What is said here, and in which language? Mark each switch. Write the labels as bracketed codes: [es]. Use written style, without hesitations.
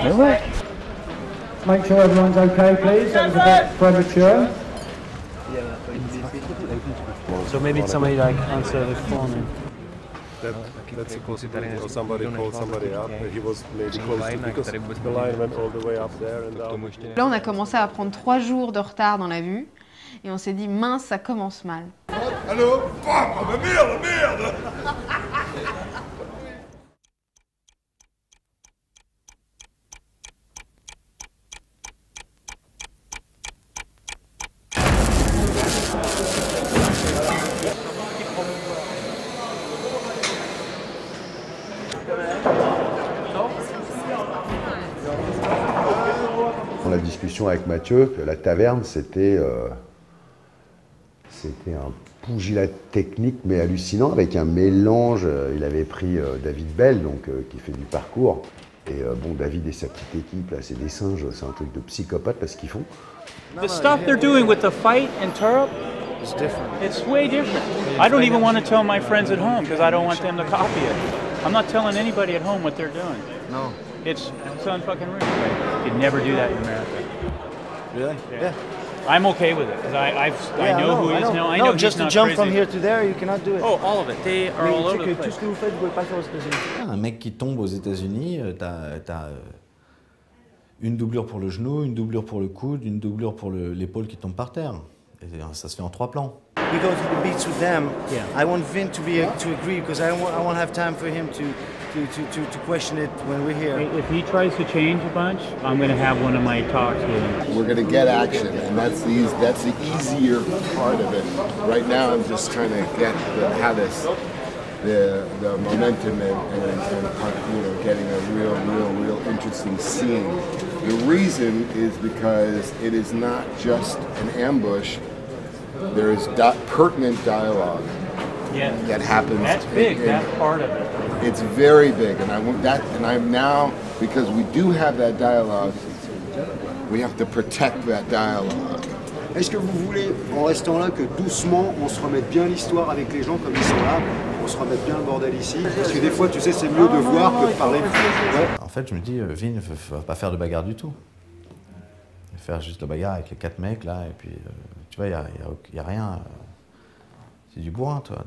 [fr] Mais ouais. [en] Make sure everyone's okay, please. That was a bit premature. So maybe it's somebody like answer the phone. That's a possibility. Or somebody called somebody up. He was maybe close to because the line went all the way up there and down. [fr] Là, on a commencé à prendre 3 jours de retard dans la vue, et on s'est dit mince, ça commence mal. Allô, bam, oh, merde. La discussion avec Mathieu, la taverne, c'était un pugilat technique mais hallucinant avec un mélange. Il avait pris David Bell, donc qui fait du parcours. Et bon, David et sa petite équipe là, c'est des singes, c'est un truc de psychopathe là, ce qu'ils font. [en] The stuff they're doing with the fight and turret, it's different. It's way different. I don't even want to tell my friends at home because I don't want them to copy it. I'm not telling anybody at home what they're doing. No. It's unfucking real. You'd never do that in America. Really? Yeah. I'm okay with it because I know who he is now. No, just to jump from here to there, you cannot do it. Oh, all of it. They are all over the place. [fr] Tout ce que vous faites, vous pouvez pas faire aux États-Unis. Un mec qui tombe aux États-Unis, t'as une doublure pour le genou, une doublure pour le coude, une doublure pour l'épaule qui tombe par terre. Et ça se fait en 3 plans. [en] We go to the beach with them. Yeah. I want Vin to agree because I won't have time for him to question it when we're here. If he tries to change a bunch, I'm going to have one of my talks with him. We're going to get action, and that's the easier part of it. Right now, I'm just trying to get the momentum and you know, getting a real interesting scene. The reason is because it is not just an ambush. There is pertinent dialogue that happens. That's big, that part of it. It's very big, and I'm now, because we do have that dialogue, we have to protect that dialogue. [fr] Est-ce que vous voulez, en restant là, que doucement, on se remette bien l'histoire avec les gens comme ils sont là, on se remette bien le bordel ici? Parce que des fois, tu sais, c'est mieux de voir que de parler. En fait, je me dis, Vin ne va pas faire de bagarre du tout. Il va faire juste la bagarre avec les quatre mecs, là, et puis, tu vois, il n'y a rien. C'est du bourrin, toi.